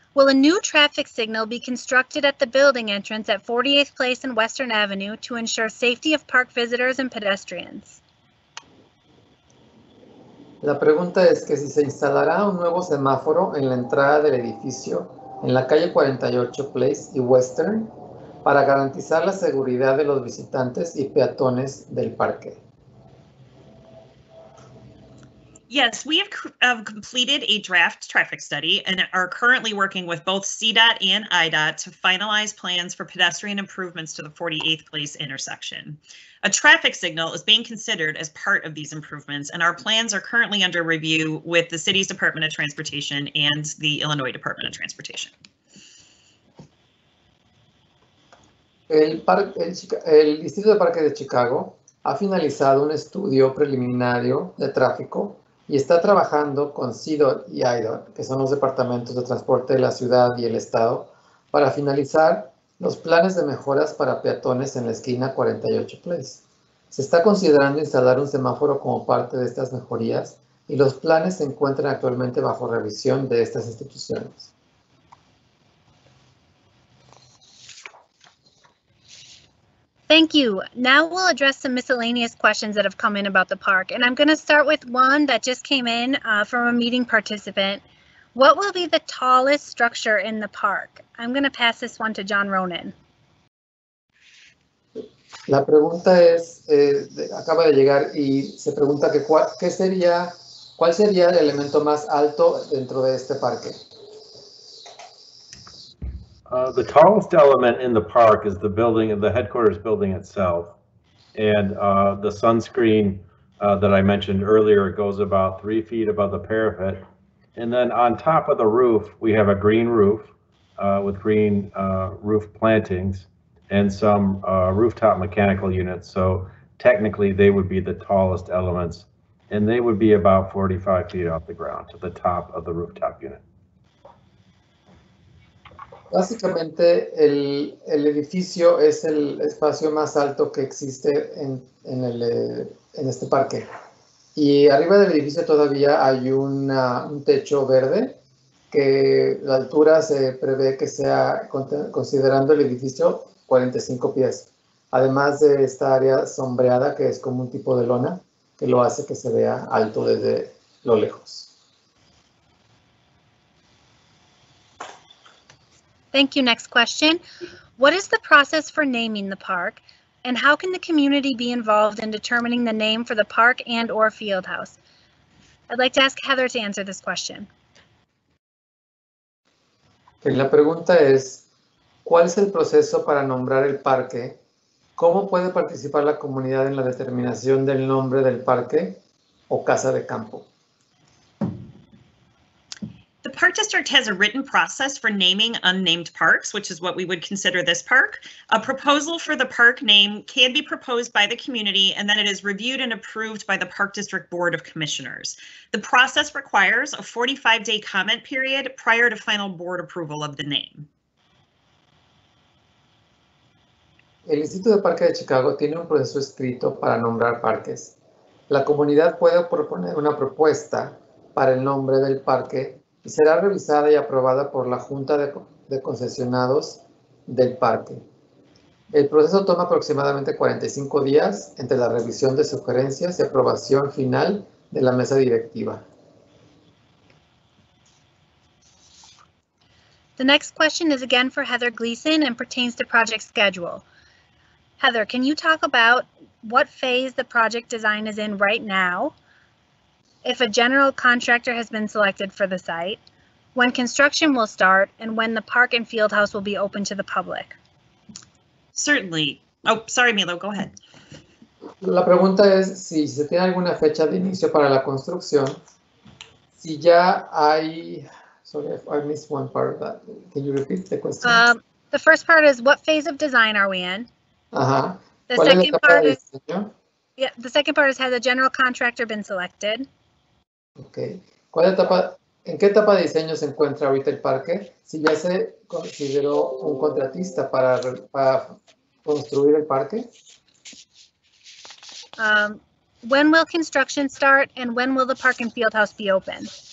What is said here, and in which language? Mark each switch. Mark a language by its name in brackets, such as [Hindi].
[English] Will a new traffic signal be constructed at the building entrance at 48th Place and Western Avenue to ensure safety of park visitors and pedestrians? [Spanish] La pregunta es que si se instalará un nuevo semáforo en la entrada del edificio en la calle 48 Place y Western para garantizar la seguridad de los visitantes y peatones del parque. [English] Yes, we have completed a draft traffic study and are currently working with both CDOT and IDOT to finalize plans for pedestrian improvements to the 48th Place intersection. A traffic signal is being considered as part of these improvements, and our plans are currently under review with the City's Department of Transportation and the Illinois Department of Transportation. [Spanish] El Distrito de Parque de Chicago ha finalizado un estudio preliminario de tráfico y está trabajando con CDOT y IDOT, que son los departamentos de transporte de la ciudad y el estado, para finalizar los planes de mejoras para peatones en la esquina 48 Place. Se está considerando instalar un semáforo como parte de estas mejorías y los planes se encuentran actualmente bajo revisión de estas instituciones. [English] Thank you. Now we'll address some miscellaneous questions that have come in about the park. And I'm going to start with one that just came in from a meeting participant. What will be the tallest structure in the park? I'm going to pass this one to John Ronan. [Spanish] La pregunta es, acaba de llegar y se pregunta que cuál sería el elemento más alto dentro de este parque. [English] The tallest element in the park is the building, the headquarters building itself. And the sunscreen that I mentioned earlier goes about 3 feet above the parapet. And then on top of the roof, we have a green roof with green roof plantings and some rooftop mechanical units. So technically they would be the tallest elements and they would be about 45 feet off the ground to the top of the rooftop unit. [Spanish] Básicamente el edificio es el espacio más alto que existe en este parque. Y arriba del edificio todavía hay un techo verde que la altura se prevé que sea, considerando el edificio, 45 pies. Además de esta área sombreada que es como un tipo de lona que lo hace que se vea alto desde lo lejos. [English] Thank you. Next question. What is the process for naming the park? And how can the community be involved in determining the name for the park and or field house? I'd like to ask Heather to answer this question. [Spanish] La pregunta es, ¿cuál es el proceso para nombrar el parque? ¿Cómo puede participar la comunidad en la determinación del nombre del parque o casa de campo? [English] The park district has a written process for naming unnamed parks, which is what we would consider this park. A proposal for the park name can be proposed by the community, and then it is reviewed and approved by the Park District Board of Commissioners. The process requires a 45-day comment period prior to final board approval of the name. [Spanish] El Instituto de Parque de Chicago tiene un proceso escrito para nombrar parques. La comunidad puede proponer una propuesta para el nombre del parque y será revisada y aprobada por la Junta de Concesionados del Parque. El proceso toma aproximadamente 45 días entre la revisión de sugerencias y aprobación final de la mesa directiva. [English] The next question is again for Heather Gleason and pertains to project schedule. Heather, can you talk about what phase the project design is in right now? If a general contractor has been selected for the site, when construction will start, and when the park and field house will be open to the public? Certainly. Oh, sorry, Milo, go ahead. [Spanish] La pregunta es si se tiene alguna fecha de inicio para la construcción, si ya hay, [English] sorry, I missed one part of that. Can you repeat the question? The first part is what phase of design are we in? The second part is has a general contractor been selected? Okay. [Spanish] ¿Cuál etapa, en qué etapa de diseño se encuentra ahorita el parque? Si ya se consideró un contratista para construir el parque. [English] When will construction start and when will the park and field house be open?